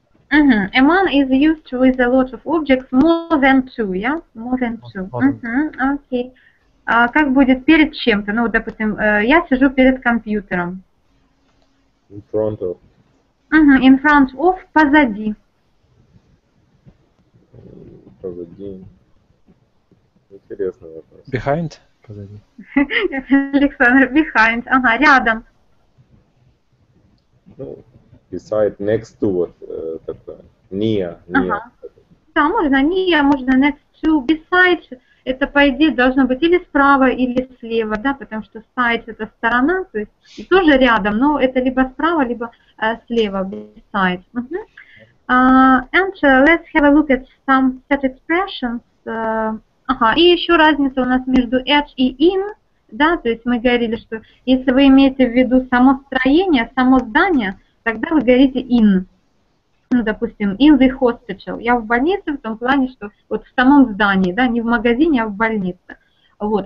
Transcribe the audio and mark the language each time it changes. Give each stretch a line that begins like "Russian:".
English: Among is used with a lot of objects, more than two, yeah? More than two. Okay.
Russian: А как будет перед чем-то? Ну, допустим, я сижу перед компьютером.
English: In front of. In front of,
Russian: позади. Позади. Интересный вопрос. Behind? Позади. Александр, behind. Ага, рядом.
English: Ну, beside, next to,
Russian: вот такое.
English: Near, near.
Russian: Да, можно near, можно next to, beside. Это, по идее, должно быть или справа, или слева, да, потому что side – это сторона, то есть и тоже рядом, но это либо справа, либо слева, beside.
English: And let's have a look at some set expressions.
Russian: И еще разница у нас между at и in, да, то есть мы говорили, что если вы имеете в виду само строение, само здание, тогда вы говорите in. Ну, допустим,
English: in the hospital.
Russian: Я в больнице в том плане, что вот в самом здании, да, не в магазине, а в больнице. Вот.